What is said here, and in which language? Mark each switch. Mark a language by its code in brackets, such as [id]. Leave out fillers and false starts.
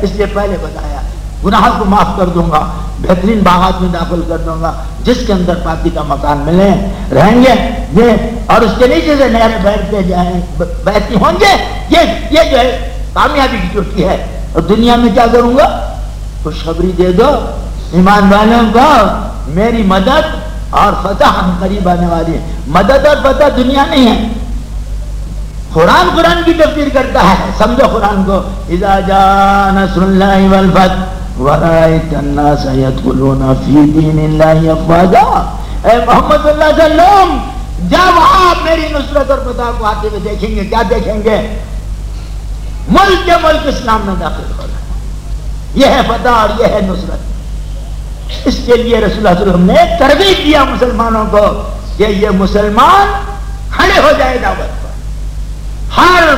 [ur] اس لیے پہلے بتایا گناہوں کو معاف کر دوں گا, بہترین باغات میں داخل کر دوں گا جس کے اندر پاکی کا مکان ملے رہیں گے یہ, اور اس کے نیچے سے نہریں بہتے جائیں بہتی ہوں گے, یہ جو ہے کامیابی کی چوٹی ہے. اور دنیا میں کیا کروں گا؟ خوشخبری دے دو ایمان والوں کو میری مدد اور فتح ہم قریب آنے والی ہیں. مدد اور فتح دنیا نہیں ہے. قرآن کی تفسیر کرتا ہے, سمجھو قرآن کو. [ar] اذا جاء نصر اللہ والفتح ورأيت الناس يدخلون في دين الله افواجا. [ur] اے محمد صلی اللہ علیہ وسلم, جب آپ میری نصرت اور فتح کو آتے ہوئے دیکھیں گے, کیا دیکھیں گے؟ ملک کے ملک اسلام میں داخل ہو رہا ہے. یہ ہے فتح اور یہ ہے نصرت. اس کے لیے رسول اللہ صلی اللہ علیہ وسلم نے ترغیب دیا مسلمانوں کو کہ یہ مسلمان کھڑے ہو جائے دعوت پر.